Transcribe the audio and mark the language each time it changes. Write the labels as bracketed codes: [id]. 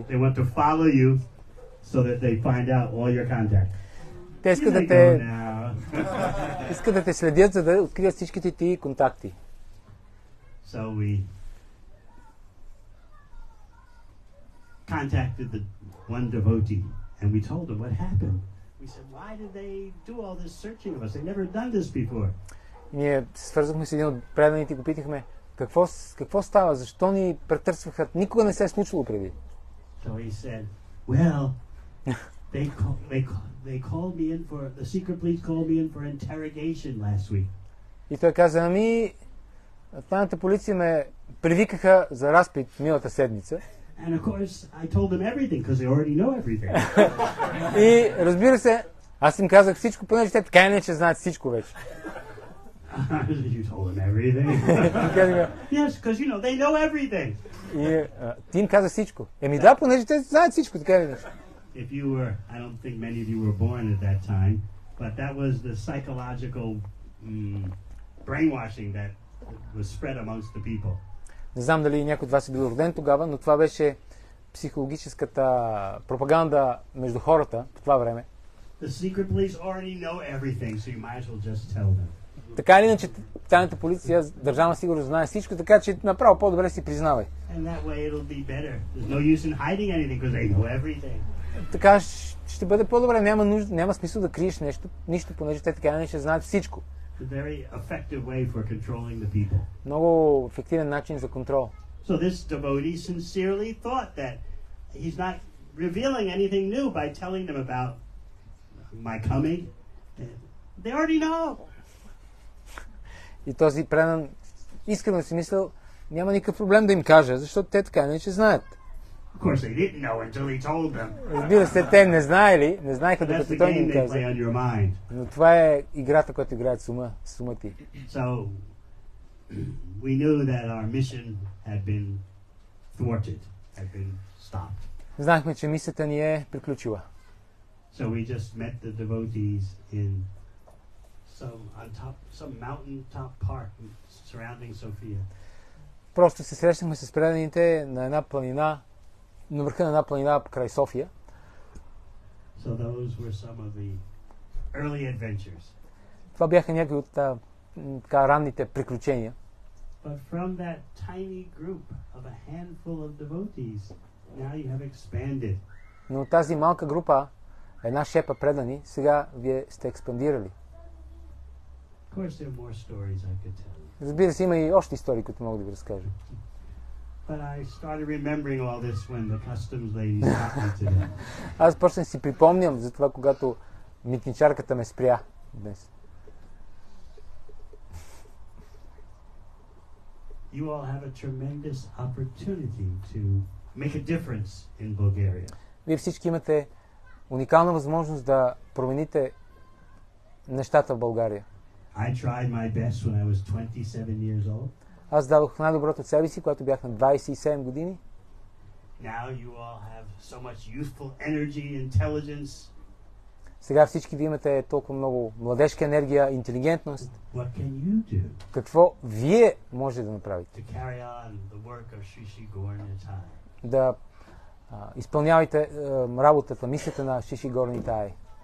[en] They want to follow you so that they find out all your contacts. [bg] Те искат да те искат да те следят, за да открият всичките ти контакти. [en] So we contacted the one devotee and we told him what happened. We said, why did they do all this searching of us? They've never done this before. [bg] Ние свързахме с един от преданите и го питахме, какво става? Защо ни претърсваха? Никога не се е случило преди. [en] So he said, well, they called me in for, the secret police called me in for interrogation last week. [bg] И той каза, ами, тайната полиция ме привикаха за разпит миналата седмица. [en] And of course, I told them everything because they already know everything. [bg] И разбира се, аз им казах всичко, понеже те така иначе знаят всичко вече. [en] You told them everything? Yes, because you know, they know everything. [bg] И ти им каза всичко. Еми да, понеже те знаят всичко, така иначе. [en] If you were, I don't think many of you were born at that time, but that was the psychological brainwashing that was spread amongst the people. [bg] Не знам дали някой от вас е бил роден тогава, но това беше психологическата пропаганда между хората по това време. [en] The secret police already know everything, so you might as well just tell them. [bg] Така или иначе, тайната полиция, държавна сигурност знае всичко, така че направо по-добре си признавай. [en] And that way it'll be better. There's no use in hiding anything because they know everything. [bg] Така ще бъде по-добре, няма нужда, няма смисъл да криеш нещо, нищо, понеже те така не ще знаят всичко. [en] It's a very effective way for controlling the people. [bg] Много ефективен начин за контрол. [en] So this devotee sincerely thought that he's not revealing anything new by telling them about my coming. They already know. [bg] И този предан искрено си мислил, няма никакъв проблем да им кажа, защото те така не че знаят. [en] Of course they didn't know until he told them. [bg] Разбира се, те не знаели, не знаеха докато той им каза. Но това е играта, която играят с ума, с ума ти. [en] So we knew that our mission had been thwarted, had been stopped. [bg] Знаехме, че мисията ни е приключила. [en] So we just met the devotees in some mountain top park surrounding Sofia. [bg] Просто се срещнахме с преданите на една планина, на върха на една планина край София. [en] So those were some of the early adventures. [bg] Това бяха някои от така ранните приключения. [en] But from that tiny group of a handful of devotees, now you have expanded. [bg] Но тази малка група, една шепа предани, сега вие сте експандирали. [en] Of course, there are more stories I could tell. [bg] Разбира се, има и още истории, които мога да ви разкажа. [en] But I started remembering all this when the customs lady stopped me today. [bg] Аз просто си припомням за това, когато митничарката ме спря днес. [en] You all have a tremendous opportunity to make a difference in Bulgaria. [bg] Вие всички имате уникална възможност да промените нещата в България. [en] I tried my best when I was 27 years old. [bg] Аз дадох най-доброто от себе си, когато бях на 27 години. [en] Now you all have so much youthful energy, intelligence. [bg] Сега всички вие имате толкова много младежка енергия, интелигентност. [en] What can you do? [bg] Какво вие може да направите? [en] To carry on the work of Shishi Gornitai. [bg] Да изпълнявайте работата, мислите на Шиши Горнитай.